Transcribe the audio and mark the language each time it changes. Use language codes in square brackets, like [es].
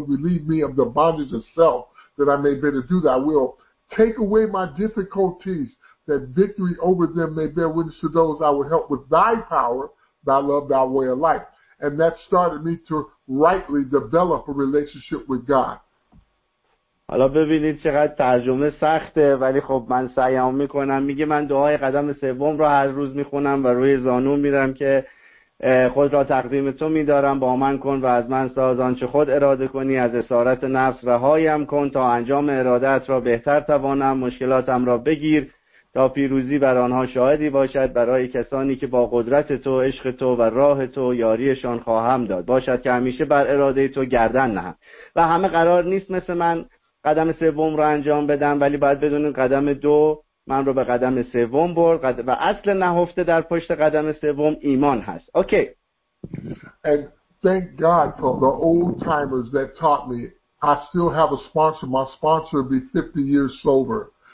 [en] Relieve me of the bondage of self that I may be able to do thy will. Take away my difficulties, that victory over them may bear witness to those I would help with thy power, thy love, thy way of life. And that started me to rightly develop a relationship with God. [fa] حالا ببینید چقدر ترجمه سخته، ولی خب من سعیم میکنم. میگه من دعای قدم سوم رو هر روز میخونم و روی زانو میرم که خود را تقدیم تو میدارم، با من کن و از من ساز آنچه خود اراده کنی، از اسارت نفس رهایم کن تا انجام ارادت را بهتر توانم، مشکلاتم را بگیر تا پیروزی بر آنها شاهدی باشد، برای کسانی که با قدرت تو، عشق تو و راه تو یاریشان خواهم داد، باشد که همیشه بر اراده تو گردن نهند. و همه قرار نیست مثل من قدم سوم رو انجام بدم، ولی باید بدونن قدم دو من رو به قدم سوم برد و اصل نهفته در پشت قدم سوم ایمان هست. [en] Okay. And thank God for the old timers that taught me. I still have a sponsor. My sponsor will be 50 years sober.